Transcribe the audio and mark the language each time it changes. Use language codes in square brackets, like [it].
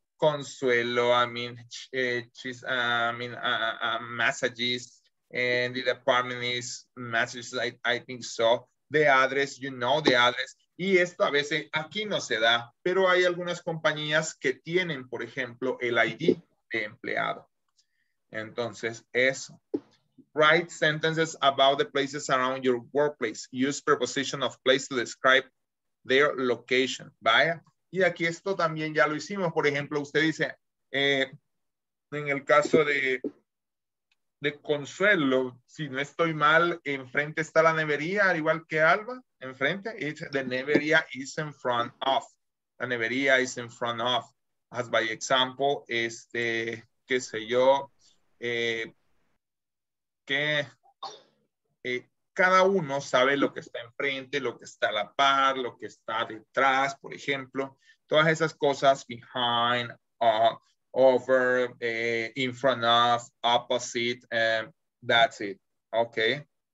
[en] Consuelo, I mean, she's, a massagist, and the department is massages, I think so, the address, you know the address, [es] y esto a veces aquí no se da, pero hay algunas compañías que tienen, por ejemplo, el ID, de empleado. Entonces, eso. [en] Write sentences about the places around your workplace. Use preposition of place to describe their location. [es] Vaya. Y aquí esto también ya lo hicimos. Por ejemplo, usted dice, en el caso de Consuelo, si no estoy mal, enfrente está la nevería, al igual que Alba. [en] enfrente, it's the neveria is in front of. La neveria is in front of. As by example, [es] este, qué sé yo, que cada uno sabe lo que está enfrente, lo que está a la par, lo que está detrás, por ejemplo. Todas esas cosas, [en] behind, over, in front of, opposite, that's it. Okay.